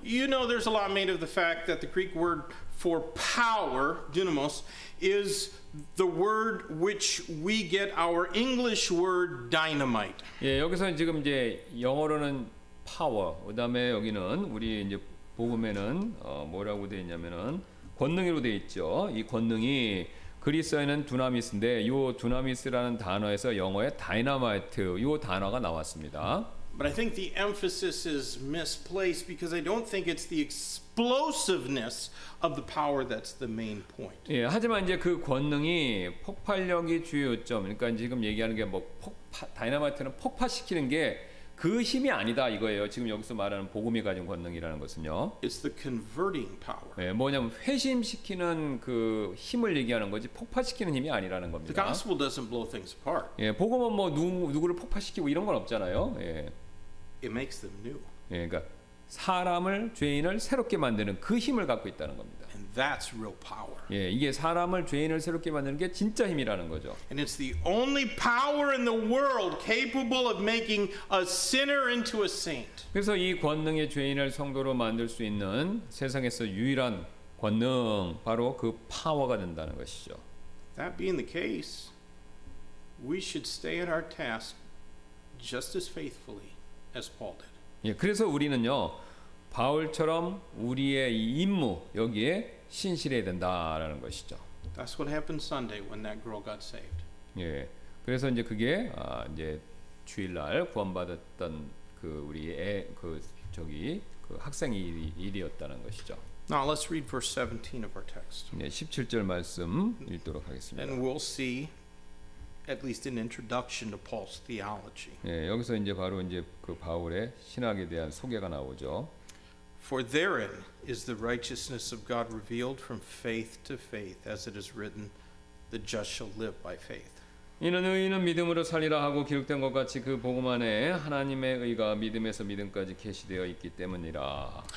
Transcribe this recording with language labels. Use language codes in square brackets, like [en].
[en] You know there's a lot made of the fact that the Greek word for power, dynamos, is the word which we get our English word dynamite. [ko] 예, 여기서 지금 이제 영어로는 power, 그다음에 여기는 우리 이제 복음에는 뭐라고 되어 있냐면은 권능이로 되어 있죠. 이 권능이 그리스어에는 dunamis인데 요 dunamis라는 단어에서 영어의 dynamite 요 단어가 나왔습니다. [en] But I think the emphasis is misplaced because I don't think it's the explosiveness of the power that's the main point. [ko] 예, 하지만 이제 그 권능이 폭발력이 주요 요점. 그러니까 지금 얘기하는 게 뭐 폭파 다이너마이트는 폭파시키는 게 그 힘이 아니다 이거예요. 지금 여기서 말하는 복음이 가진 권능이라는 것은요. [en] It's the converting power. [ko] 예, 뭐냐면 회심시키는 그 힘을 얘기하는 거지 폭파시키는 힘이 아니라는 겁니다. [en] The gospel doesn't blow things apart. [ko] 예, 복음은 뭐 누구를 폭파시키고 이런 건 없잖아요. 예. [en] It makes them new. [ko] 예, 그러니까 사람을 죄인을 새롭게 만드는 그 힘을 갖고 있다는 겁니다. [en] And that's real power. [ko] 예, 이게 사람을 죄인을 새롭게 만드는 게 진짜 힘이라는 거죠. [en] And it's the only power in the world capable of making a sinner into a saint. [ko] 그래서 이 권능의 죄인을 성도로 만들 수 있는 세상에서 유일한 권능 바로 그 파워가 된다는 것이죠. [en] That being the case, we should stay at our task just as faithfully as Paul did. [ko] 예, 그래서 우리는요 바울처럼 우리의 임무 여기에 신실해야 된다라는 것이죠. [en] That's what happened Sunday when that girl got saved. [ko] 예, 그래서 이제 그게 이제 주일날 구원받았던 그 우리의 그 학생이 일이었다는 것이죠. [en] Now let's read verse 17 of our text. [ko] 예, 17절 말씀 읽도록 하겠습니다. [en] And we'll see at least an introduction to Paul's theology. [ko] 예, 여기서 이제 바로 이제 그 바울의 신학에 대한 소개가 나오죠. [en] For therein is the righteousness of God revealed from faith to faith, as it is written, the just shall live by faith. [ko] 이는 의인은 믿음으로 살리라 하고 기록된 것 같이 그 복음 안에 하나님의 의가 믿음에서 믿음까지 계시되어 있기 때문이라.